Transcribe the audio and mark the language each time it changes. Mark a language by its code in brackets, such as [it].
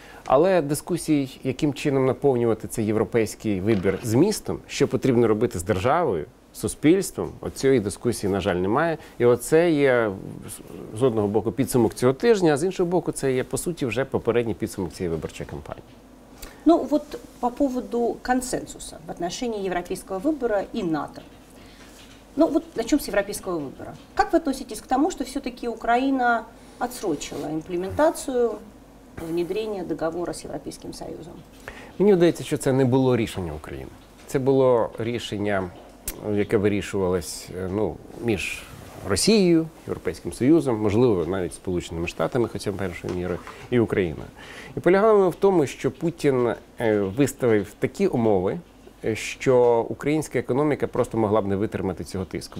[uk] Але дискусії, яким чином наповнювати цей європейський вибір змістом, що потрібно робити з державою, суспільством, оцієї дискусії, на жаль, немає. І оце є, з одного боку, підсумок цього тижня, а з іншого боку, це є, по суті, вже попередній підсумок цієї виборчої кампанії. [ru] Ну, вот по поводу консенсуса в отношении европейского выбора и НАТО. Ну, вот начнем с европейского выбора. Как вы относитесь к тому, что все-таки Украина отсрочила имплементацию внедрения договора с Европейским Союзом? Мне кажется, что это не было решение Украины. Это было решение, которое [uk] вирішувалось між Росією, Європейським Союзом, можливо, навіть Сполученими Штатами, хоча б першою мірою, і Україною. І полягало в тому, що Путін виставив такі умови, що українська економіка просто могла б не витримати цього тиску.